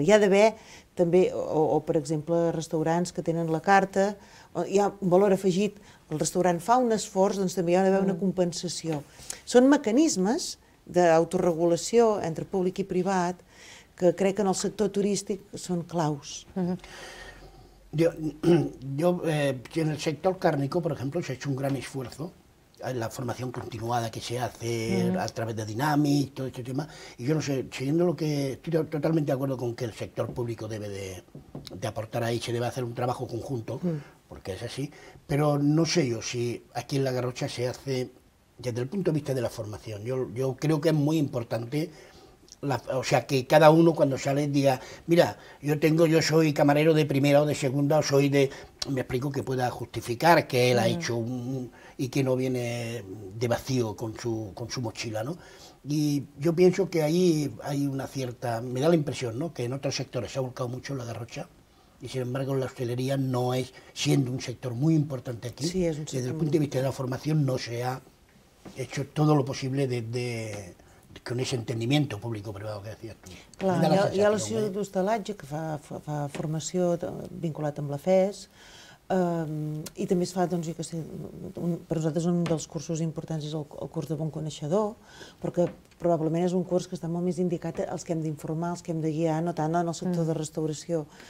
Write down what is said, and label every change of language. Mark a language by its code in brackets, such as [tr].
[ca] Hi ha d'haver també, o per exemple, restaurants que tenen la carta, hi ha un valor afegit, el restaurant fa un esforç, doncs també hi ha d'haver una compensació. Són mecanismes d'autoregulació entre públic i privat que crec que en el sector turístic són claus. [es] Yo en el sector cárnico, por ejemplo, se ha hecho un gran esfuerzo la formación continuada que se hace a través de Dynamics, todo este tema. Y yo no sé, siguiendo lo que estoy totalmente de acuerdo con que el sector público debe de aportar ahí, se debe hacer un trabajo conjunto, porque es así, pero no sé yo si aquí en La Garrocha se hace desde el punto de vista de la formación. Yo creo que es muy importante. O sea, que cada uno cuando sale diga, mira, yo soy camarero de primera o de segunda, o soy de... Me explico, que pueda justificar que él ha hecho y que no viene de vacío con su mochila, ¿no? Y yo pienso que ahí hay una cierta... Me da la impresión, ¿no?, que en otros sectores se ha volcado mucho La Garrocha, y sin embargo la hostelería no es, siendo un sector muy importante aquí, sí, es un sector desde el punto de vista de la formación no se ha hecho todo lo posible desde... Con ese entendimiento público-privado que decías tú. [ca] Clar, hi ha l'Associació d'Hostalatge, que fa formació vinculat amb la FES, i també es fa, doncs, jo què sé, per nosaltres un dels cursos importants és el curs de bon coneixedor, perquè probablement és un curs que està molt més indicat als que hem d'informar, als que hem de guiar, no tant en el sector de restauració.